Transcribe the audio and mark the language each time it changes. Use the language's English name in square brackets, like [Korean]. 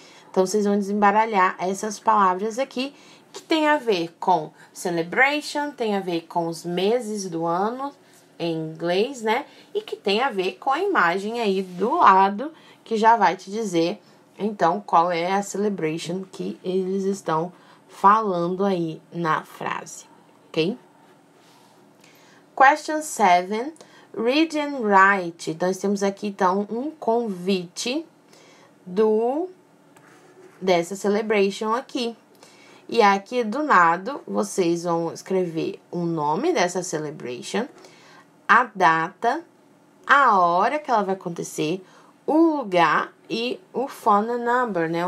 [Portuguese] Então, vocês vão desembaralhar essas palavras aqui, que tem a ver com celebration, tem a ver com os meses do ano em inglês, né? E que tem a ver com a imagem aí do lado, que já vai te dizer, então, qual é a celebration que eles estão falando aí na frase, ok? [English] Question 7, read and write. [Portuguese] Então, nós temos aqui, então, um convite dessa celebration aqui. E aqui do lado, vocês vão escrever o nome dessa celebration, a data, a hora que ela vai acontecer, o lugar e o phone number, né?